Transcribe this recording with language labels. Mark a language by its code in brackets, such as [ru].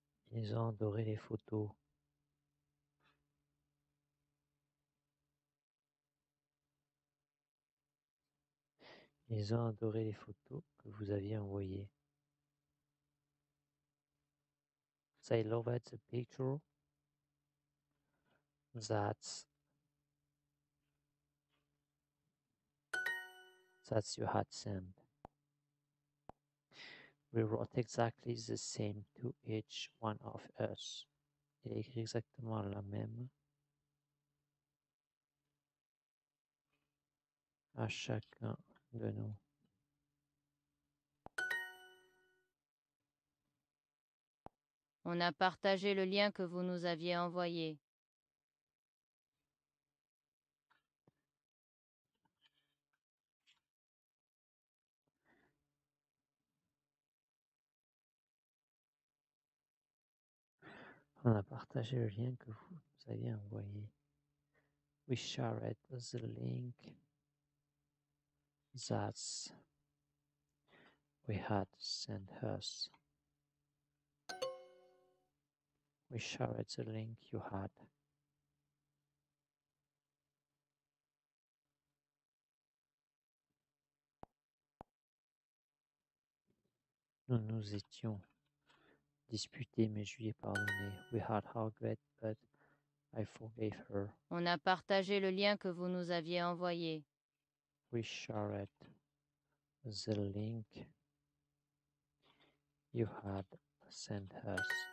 [fr] Ils ont adoré les photos. Ils ont adoré les photos que vous aviez envoyées. [en] They loved the picture that you had sent. We wrote exactly the same to each one of us. [fr] Il a écrit exactement la même à chacun de nous. On On a partagé le lien que vous nous aviez envoyé. On a partagé le lien que vous nous aviez envoyé. [en] We shared the link that we had sent us. We shared the link you had. [fr] Nous nous étions disputés, mais je lui ai pardonné. [en] We had argued, but I forgave her. [fr] On a partagé le lien que vous nous aviez envoyé. [en] We shared the link you had sent us.